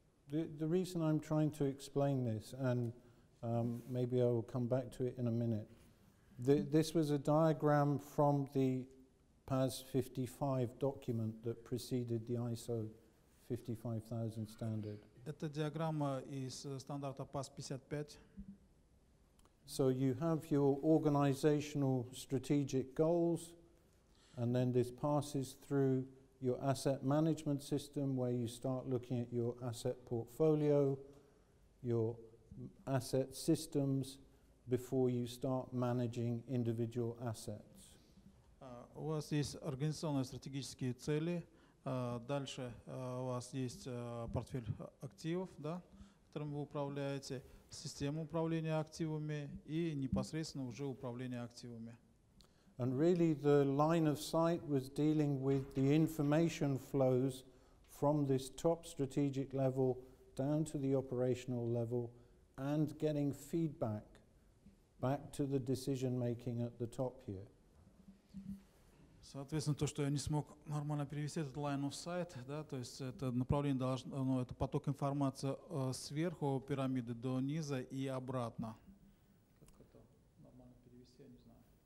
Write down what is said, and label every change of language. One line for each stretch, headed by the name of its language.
English: The reason I'm trying to explain this, and maybe I will come back to it in a minute. This was a diagram from the PAS 55 document that preceded the ISO 55000 standard.
Russian: Это диаграмма из стандарта PAS 55.
English: So you have your organizational strategic goals, and then this passes through your asset management system where you start looking at your asset portfolio, your asset systems, before you start managing individual assets.
Russian: У вас есть организационные стратегические цели, дальше у вас есть портфель активов, да, которым вы управляете, система управления активами и непосредственно уже управление активами.
English: And really the line of sight was dealing with the information flows from this top strategic level down to the operational level and getting feedback back to the decision making at the top here.
Russian: Соответственно, то, что я не смог нормально перевести этот line of sight, да, то есть это направление должно, ну, это поток информации сверху пирамиды до низа и обратно. Как это нормально перевести, я не знаю.